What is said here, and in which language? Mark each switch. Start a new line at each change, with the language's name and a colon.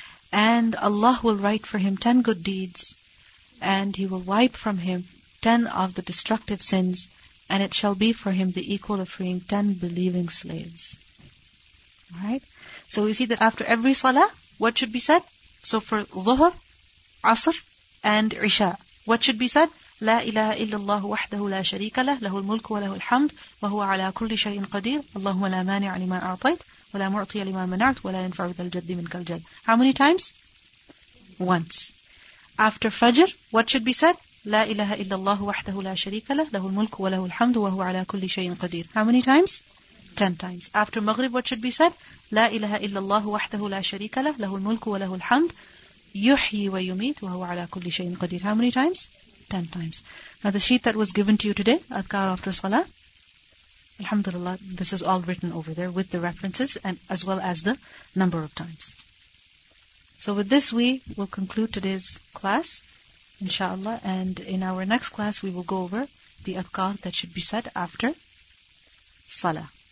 English: And Allah will write for him 10 good deeds, and he will wipe from him 10 of the destructive sins, and it shall be for him the equal of freeing 10 believing slaves. Alright? So we see that after every salah, what should be said? So for Dhuhr, Asr, and Isha, what should be said?
Arabic: لا إله إلا الله وحده لا شريك له له الملك وله الحمد وهو على كل شيء قدير اللهم لا مانع لما أعطيت ولا معطي لما منعت ولا ينفع ذا الجد منك الجد.
English: How many times? Once. After Fajr, what should be said?
Arabic: لا إله إلا الله وحده لا شريك له له الملك وله الحمد وهو على كل شيء قدير.
English: How many times? 10 times. After Maghrib, what should be said?
Arabic: لا إله إلا الله وحده لا شريك له له الملك وله الحمد يحيي ويميت وهو على كل شيء قدير.
English: How many times? 10 times. Now the sheet that was given to you today, Adhkar after Salah, Alhamdulillah, this is all written over there with the references and as well as the number of times. So with this, we will conclude today's class, inshallah, and in our next class, we will go over the Adhkar that should be said after Salah.